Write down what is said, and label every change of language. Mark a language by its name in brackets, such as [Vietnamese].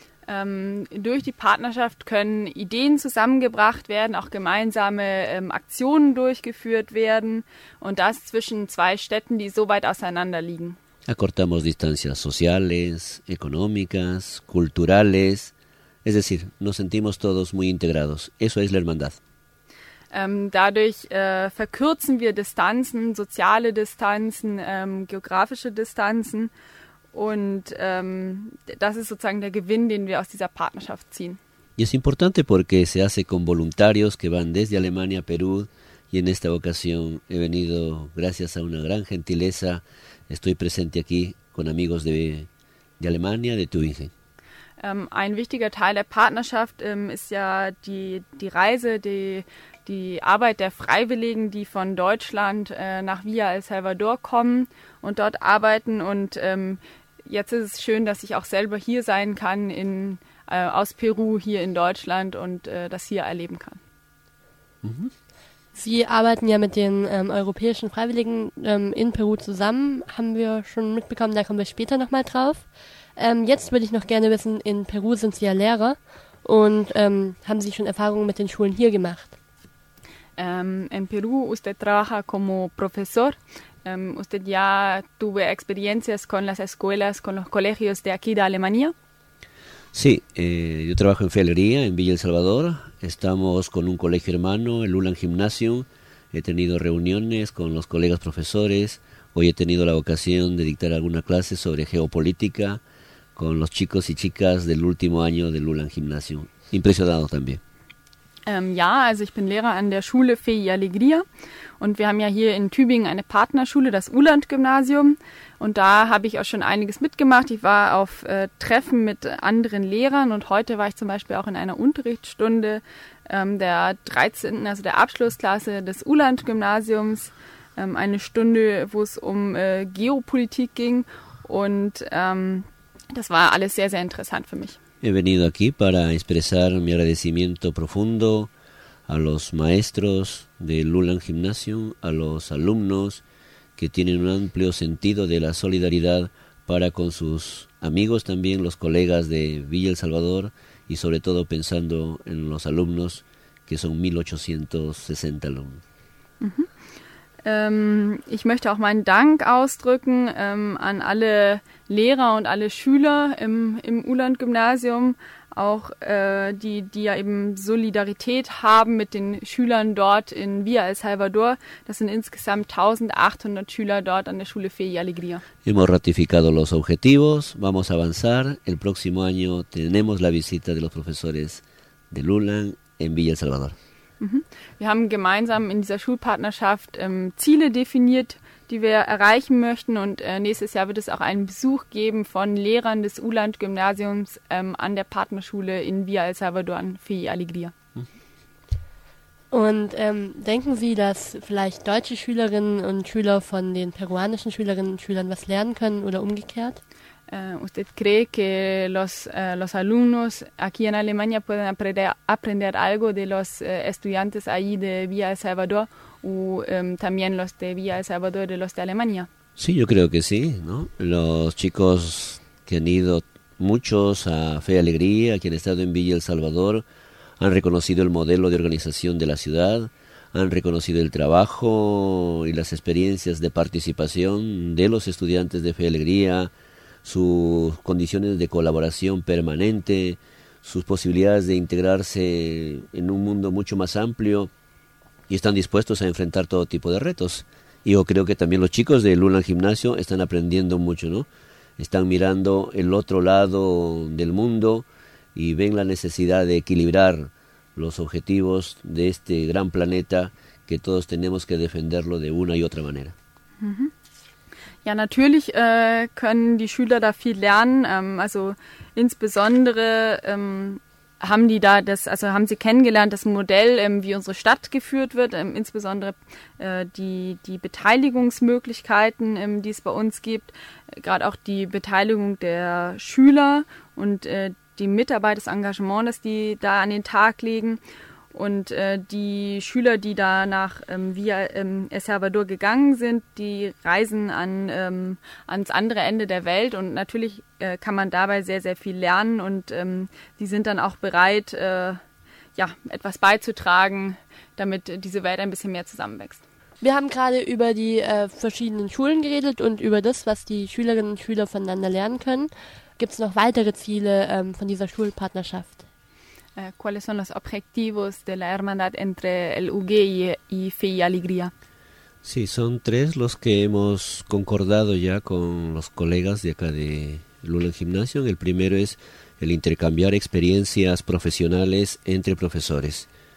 [German] Durch die Partnerschaft können Ideen zusammengebracht werden, auch gemeinsame Aktionen durchgeführt werden und das zwischen 2 Städten, die so weit auseinander liegen. [Spanish] Acortamos distancias sociales, económicas, culturales, es decir, nos sentimos todos muy integrados. Eso es la hermandad. [German] Dadurch verkürzen wir Distanzen, soziale Distanzen, geografische Distanzen und das ist sozusagen der Gewinn, den wir aus dieser Partnerschaft ziehen. [Spanish] Y es importante porque se hace con voluntarios que van desde Alemania a Perú. Y en esta ocasión he venido gracias a una gran gentileza. Estoy presente aquí con amigos de Alemania, de Tübingen. [German] Ein wichtiger Teil der Partnerschaft ist ja die Reise, die Arbeit der Freiwilligen, die von Deutschland nach Villa El Salvador kommen und dort arbeiten. Und jetzt ist es schön, dass ich auch selber hier sein kann, aus Peru, hier in Deutschland und das hier erleben kann. Mhm. Sie arbeiten ja mit den europäischen Freiwilligen in Peru zusammen, haben wir schon mitbekommen, da kommen wir später nochmal drauf. Jetzt würde ich noch gerne wissen, in Peru sind Sie ja Lehrer und haben Sie schon Erfahrungen mit den Schulen hier gemacht? [Spanish] En Perú usted trabaja como profesor. Usted ya tuvo experiencias con las escuelas, con los colegios de aquí de Alemania. Sí, yo trabajo en Fialería, en Villa El Salvador. Estamos con un colegio hermano, el Ulan Gymnasium. He tenido reuniones con los colegas profesores. Hoy he tenido la ocasión de dictar alguna clase sobre geopolítica con los chicos y chicas del último año del Ulan Gymnasium. Impresionado también. [German] Ja, also ich bin Lehrer an der Schule Fe y Alegría und wir haben ja hier in Tübingen eine Partnerschule, das Uland-Gymnasium und da habe ich auch schon einiges mitgemacht. Ich war auf Treffen mit anderen Lehrern und heute war ich zum Beispiel auch in einer Unterrichtsstunde der 13., also der Abschlussklasse des Uland-Gymnasiums, eine Stunde, wo es um Geopolitik ging und Das war alles sehr, sehr interessant für mich. [Spanish] He venido aquí para expresar mi agradecimiento profundo a los maestros de Lulan Gymnasium, a los alumnos que tienen un amplio sentido de la solidaridad para con sus amigos también, los colegas de Villa El Salvador, y sobre todo pensando en los alumnos, que son 1860 alumnos. [German] Ich möchte auch meinen Dank ausdrücken an alle Lehrer und alle Schüler im Uhland-Gymnasium, auch die ja eben Solidarität haben mit den Schülern dort in Villa El Salvador. Das sind insgesamt 1800 Schüler dort an der Schule Fe y Alegría. [Spanish] Hemos ratificado los objetivos, vamos a avanzar. El próximo año tenemos la visita de los profesores de Uhland en Villa El Salvador. [German] Wir haben gemeinsam in dieser Schulpartnerschaft Ziele definiert, die wir erreichen möchten. Und nächstes Jahr wird es auch einen Besuch geben von Lehrern des Uhland-Gymnasiums an der Partnerschule in Villa El Salvador an Fe y Alegría. Und denken Sie, dass vielleicht deutsche Schülerinnen und Schüler von den peruanischen Schülerinnen und Schülern was lernen können oder umgekehrt? [Spanish] ¿Usted cree que los alumnos aquí en Alemania pueden aprender algo de los estudiantes allí de Villa El Salvador o también los de Villa El Salvador de los de Alemania? Sí, yo creo que sí, ¿no? Los chicos que han ido muchos a Fe y Alegría, que han estado en Villa El Salvador, han reconocido el modelo de organización de la ciudad, han reconocido el trabajo y las experiencias de participación de los estudiantes de Fe y Alegría, sus condiciones de colaboración permanente, sus posibilidades de integrarse en un mundo mucho más amplio, y están dispuestos a enfrentar todo tipo de retos. Y yo creo que también los chicos de Lulan Gimnasio están aprendiendo mucho, ¿no? Están mirando el otro lado del mundo y ven la necesidad de equilibrar los objetivos de este gran planeta que todos tenemos que defenderlo de una y otra manera. Uh-huh. [German] Ja, natürlich können die Schüler da viel lernen. Also insbesondere haben sie kennengelernt das Modell, wie unsere Stadt geführt wird, insbesondere die Beteiligungsmöglichkeiten, die es bei uns gibt, gerade auch die Beteiligung der Schüler und die Mitarbeit, das Engagement, das die da an den Tag legen. Und die Schüler, die da nach Villa El Salvador gegangen sind, die reisen ans andere Ende der Welt. Und natürlich kann man dabei sehr, sehr viel lernen. Und die sind dann auch bereit, etwas beizutragen, damit diese Welt ein bisschen mehr zusammenwächst. Wir haben gerade über die verschiedenen Schulen geredet und über das, was die Schülerinnen und Schüler voneinander lernen können. Gibt es noch weitere Ziele von dieser Schulpartnerschaft? [Spanish] ¿Cuáles son los objetivos de la hermandad entre el UG y Fe y Alegría? Sí, son tres los que hemos concordado ya con los colegas de acá de Lulan Gymnasium. El primero es el intercambiar experiencias profesionales entre profesores.